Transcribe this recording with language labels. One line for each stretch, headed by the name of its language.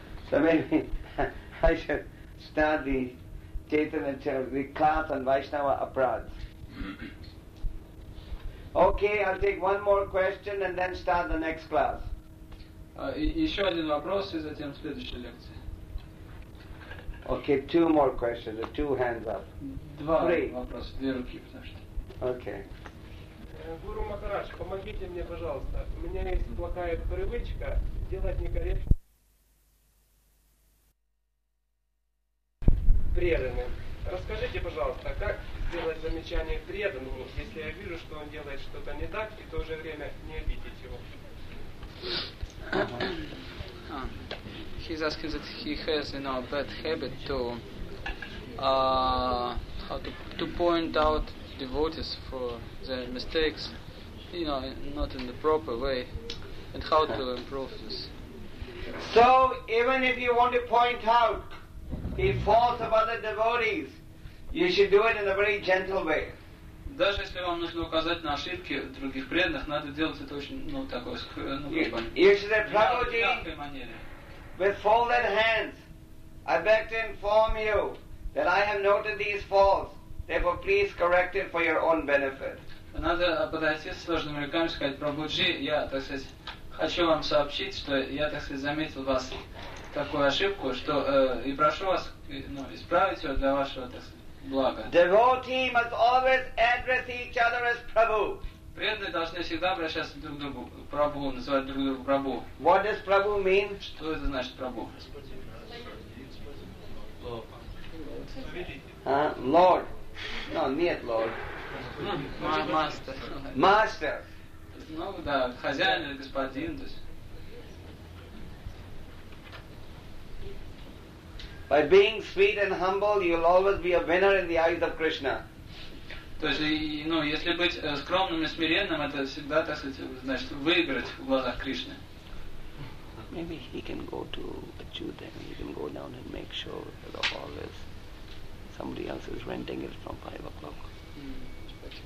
English: So maybe I should start the Chaitanya Charitamrita class on Vaishnava Aparadha. Okay, I'll take one more question and then start the next class.
Russian: Еще один вопрос, и затем следующая лекция.
English: Okay, two more questions. Two hands up.
Russian: Два вопроса, две руки, потому что.
English: Okay.
Russian: Гуру Махарадж, помогите мне, пожалуйста. У меня есть плохая привычка делать некорректные преданные. Расскажите, пожалуйста, как сделать замечание преданному, если я вижу, что он делает что-то не так, и в то же время не обидеть его?
English: He's asking that he has, you know, a bad habit to point out devotees for their mistakes, you know, not in the proper way, and how to improve this. So even if you want to point out the faults of other devotees, you should do it in a very gentle way.
Russian: Даже если вам нужно указать на ошибки других преданных, надо делать это очень, ну, такой, ну, как бы, мягкой манере.
English: With folded hands, I beg to inform you that I have noted these faults. Therefore, please correct it for your own benefit.
Russian: Надо подойти с сложными руками и сказать: Прабхуджи, я, так сказать, хочу вам сообщить, что я, так сказать, заметил вас такую ошибку, что и прошу вас исправить ее для вашего блага.
English: Devotee must always address each other as Prabhu.
Russian: Преданные должны всегда обращаться друг к другу, Прабу, называть друг друга Прабу.
English: What does Prabhu mean?
Russian: Что это значит Прабу?
English: Lord. No,
Russian: нет,
English: Lord. Master. Master.
Russian: Ну да, хозяин или господин. То есть.
English: By being sweet and humble, you'll always be a winner in the eyes of Krishna.
Russian: То есть, если быть скромным и смиренным, это всегда, так сказать, значит, выиграть в глазах Кришны.
English: Maybe he can go to Achyuta, he can go down and make sure that the hall is somebody else is renting it from 5 o'clock.